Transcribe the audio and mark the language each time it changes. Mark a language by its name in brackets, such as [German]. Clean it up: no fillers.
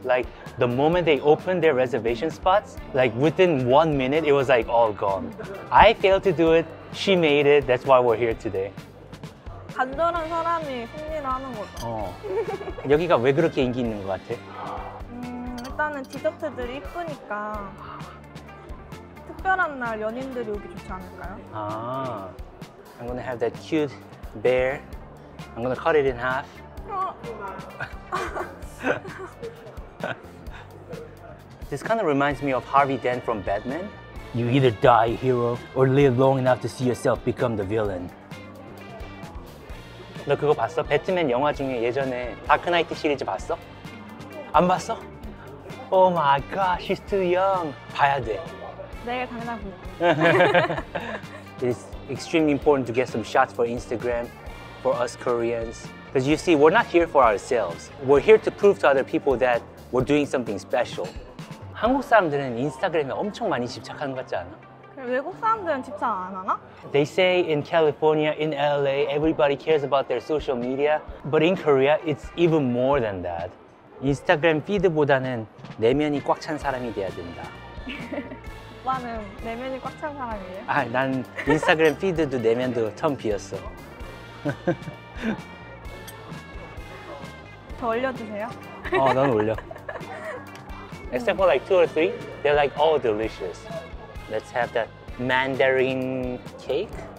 [English] Like the moment they opened their reservation spots, like within 1 minute, it was like all gone. I failed to do it. She made it. That's why we're here today. [Korean] 간절한 사람이 승리를 하는 거죠. 어. 여기가 왜 그렇게 인기 있는 것 같아? 일단은 디저트들이 이쁘니까 특별한 날 연인들이 오기 좋지 않을까요? [English] 아. I'm gonna have that cute bear. I'm gonna cut it in half. This kind of reminds me of Harvey Dent from Batman. You either die a hero or live long enough to see yourself become the villain. [Korean] 너 그거 봤어? 배트맨 영화 중에 예전에 다크나이트 시리즈 봤어? 안 봤어? [English] Oh my god, she's too young. [Korean] 봐야 돼. 내가 당장 볼게. [English] It's extremely important to get some shots for Instagram for us Koreans. Because you see, we're not here for ourselves. We're here to prove to other people that we're doing something special. [Korean] 한국 사람들은 인스타그램에 엄청 많이 집착하는 것 같지 않아? 외국 사람들은 집착 안 하나? [English] They say in California, in LA, everybody cares about their social media. But in Korea, it's even more than that. [Korean] 인스타그램 피드보다는 내면이 꽉 찬 사람이 돼야 된다. 오빠는 내면이 꽉 찬 사람이에요? 아, 난 인스타그램 피드도 내면도 텅 비었어. 더 올려주세요. 어, 난 올려. [English] Except for like two or three, they're like all delicious. Let's have that mandarin cake.